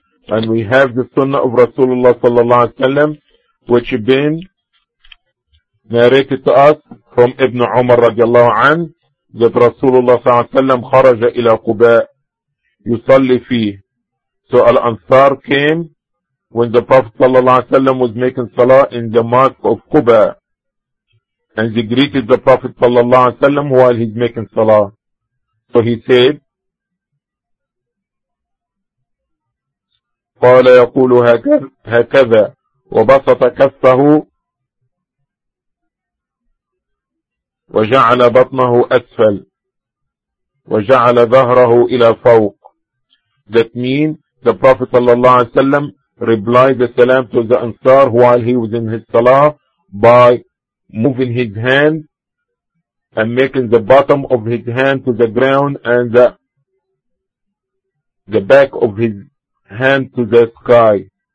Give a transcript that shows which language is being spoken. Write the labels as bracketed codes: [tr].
[en] And we have the sunnah of Rasulullah sallallahu alaihi wasallam, which been narrated to us from Ibn Umar radiallahu anhu, that Rasulullah sallallahu alaihi wasallam kharaja ila Quba yusalli fih. So Al-Ansar came when the Prophet sallallahu alaihi wasallam was making salah in the mosque of Quba, and he greeted the Prophet sallallahu alaihi wasallam while he's making salah. So he said, [ar] قال يقول هكذا وبسط كفه وجعل بطنه أسفل وجعل ظهره إلى فوق. [en] That means the Prophet sallallahu alaihi wasallam replied the salam to the Ansar while he was in his salah by moving his hand and making the bottom of his hand to the ground and the back of his hand to the sky.